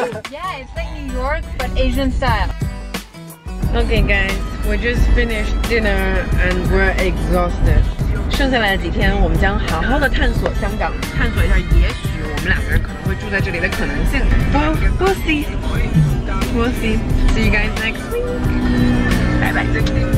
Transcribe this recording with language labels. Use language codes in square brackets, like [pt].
[en] Yeah, it's like New York but Asian style. Okay guys, we just finished dinner and we're exhausted. [zh] 剩下来的几天我们将好好的探索香港，探索一下也许我们两个人可能会住在这里的可能性。 [en] We'll see. We'll see. See you guys next week.